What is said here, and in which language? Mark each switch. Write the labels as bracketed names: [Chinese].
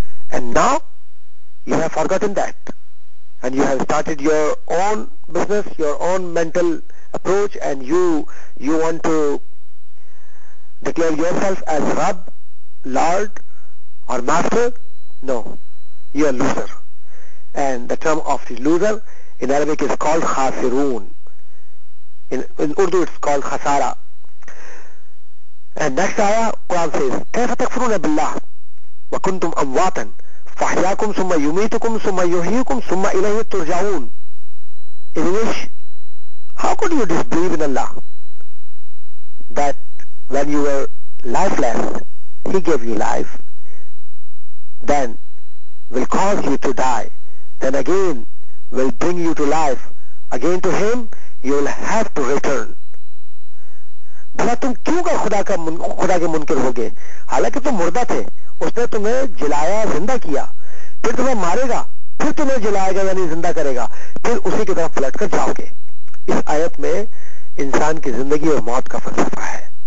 [English] And now you have forgotten that and you have started your own business, your own mental approach, and you want to declare yourself as Rabb, Lord, or Master? No, you are loser. And the term of the loser in Arabic is called Khasirun. In Urdu it's called Khasara. And next ayah, Quran says, [Arabic] كَيْفَ تَكْفُرُونَ بِاللَّهِ وَكُنْتُمْ أَمْوَاتًا فَحْيَاكُمْ ثُمَّ يُمِيتُكُمْ ثُمَّ يُحْيِيكُمْ ثُمَّ إِلَيْهِ تُرْجَعُونَ. [English] In English, how could you disbelieve in Allah that when you were lifeless, He gave you life, then will cause you to die, then again will bring you to life, again to Him, you will have to return. [Urdu] بھلا تم کیوں کہ خدا کے منکر ہوگے حالانکہ تم مردہ تھے اس نے تمہیں جلایا زندہ کیا پھر تمہیں مارے گا پھر تمہیں جلائے گا یعنی زندہ کرے گا پھر اسی کی طرف پلٹ کر جاؤ گے. اس آیت میں انسان کی زندگی اور موت کا فلسفہ ہے.